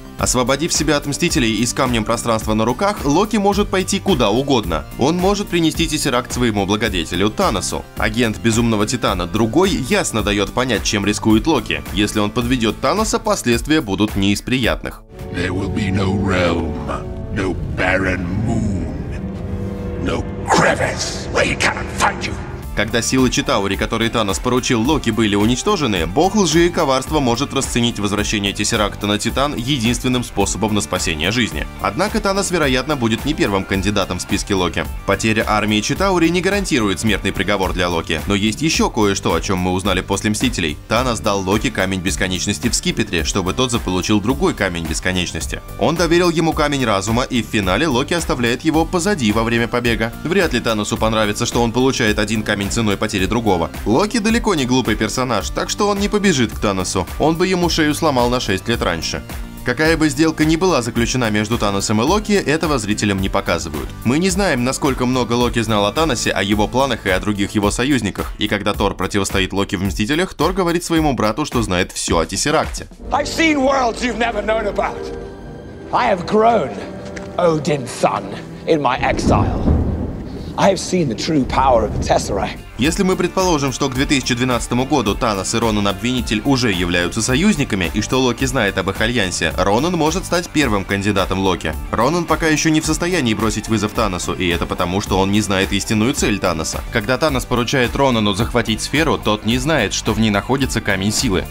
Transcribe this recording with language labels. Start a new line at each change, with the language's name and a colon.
Russian: Освободив себя от Мстителей и с камнем пространства на руках, Локи может пойти куда угодно. Он может принести Тессеракт своему благодетелю Таносу. Агент Безумного Титана Другой ясно дает понять, чем рискует Локи. Если он подведет Таноса, последствия будут не из приятных.
English: There will be no realm. No barren moon. No crevice where he cannot find you.
Russian: Когда силы Читаури, которые Танос поручил Локи, были уничтожены, бог лжи и коварства может расценить возвращение Тессеракта на Титан единственным способом на спасение жизни. Однако Танос, вероятно, будет не первым кандидатом в списке Локи. Потеря армии Читаури не гарантирует смертный приговор для Локи. Но есть еще кое-что, о чем мы узнали после Мстителей. Танос дал Локи камень бесконечности в скипетре, чтобы тот заполучил другой камень бесконечности. Он доверил ему камень разума, и в финале Локи оставляет его позади во время побега. Вряд ли Таносу понравится, что он получает один камень ценой потери другого. Локи далеко не глупый персонаж, так что он не побежит к Таносу. Он бы ему шею сломал на 6 лет раньше. Какая бы сделка ни была заключена между Таносом и Локи, этого зрителям не показывают. Мы не знаем, насколько много Локи знал о Таносе, о его планах и о других его союзниках. И когда Тор противостоит Локи в Мстителях, Тор говорит своему брату, что знает все о Тессеракте.
English: I've seen worlds you've never known about. I have grown Odin's son in my exile. I have seen the true power of the Tesseract.
Russian: Если мы предположим, что к 2012 году Танос и Ронан Обвинитель уже являются союзниками, и что Локи знает об их альянсе, Ронан может стать первым кандидатом Локи. Ронан пока еще не в состоянии бросить вызов Таносу, и это потому, что он не знает истинную цель Таноса. Когда Танос поручает Ронану захватить сферу, тот не знает, что в ней находится камень силы.